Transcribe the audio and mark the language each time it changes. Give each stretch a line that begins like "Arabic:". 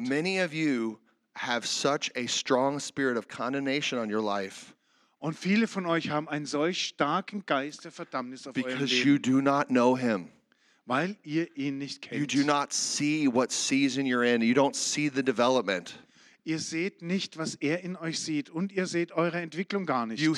English: Many of you have such a strong spirit of condemnation on your life.
German: Und viele von euch haben einen solch starken Geist der Verdammnis auf eurem Leben.
English: Because you do not know him.
German: Weil ihr ihn nicht kennt.
English: You do not see what season you're in. You don't see the development.
German: Ihr seht nicht, was in euch sieht, und ihr seht eure Entwicklung gar nicht.